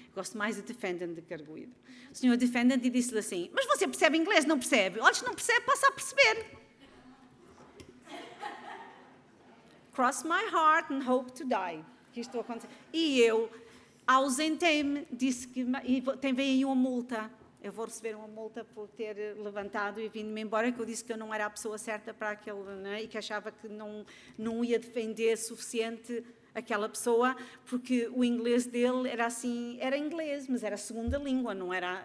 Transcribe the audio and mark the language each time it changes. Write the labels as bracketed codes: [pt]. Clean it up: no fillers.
[pt] Gosto mais de defendant do que arguído. O senhor defendant e disse-lhe assim, mas você percebe inglês, não percebe? Olha, se não percebe, passa a perceber. [en] Cross my heart and hope to die. [pt] Que isto acontece. E eu ausentei-me, disse que... E vem aí uma multa. Eu vou receber uma multa por ter levantado e vindo-me embora, que eu disse que eu não era a pessoa certa para aquele, né? E que achava que não ia defender suficiente aquela pessoa, porque o inglês dele era assim, era inglês, mas era segunda língua, não era...